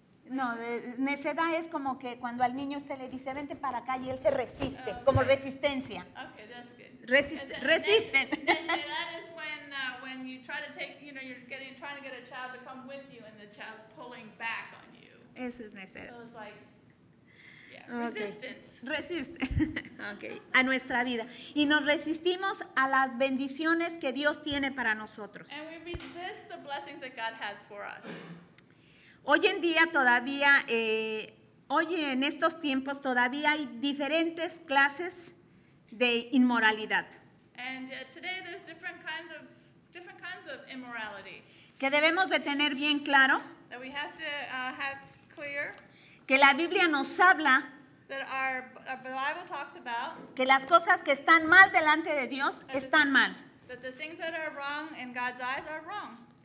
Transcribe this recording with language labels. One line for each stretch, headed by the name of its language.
Spanish: No, necedad es como que cuando al niño usted le dice vente para acá y él se resiste, okay. Como resistencia.
English: Okay, that's good.
Spanish: Resisten.
English: Necedad is when you try to take, you know, you're getting trying to get a child to come with you and the child's pulling back on you.
Spanish: Eso es necedad.
English: So it's like, okay.
Spanish: Resiste. Okay. A nuestra vida. Y nos resistimos a las bendiciones que Dios tiene para nosotros.
English: And we resist the blessings that God has for us.
Spanish: Hoy en día todavía, en estos tiempos todavía hay diferentes clases de inmoralidad.
English: And today there's different kinds of immorality.
Spanish: Que debemos de tener bien claro.
English: That we have to have clear.
Spanish: Que la Biblia nos habla
English: that our Bible talks about,
Spanish: que las cosas que están mal delante de Dios están mal.
English: That the things that are wrong in God's eyes are wrong.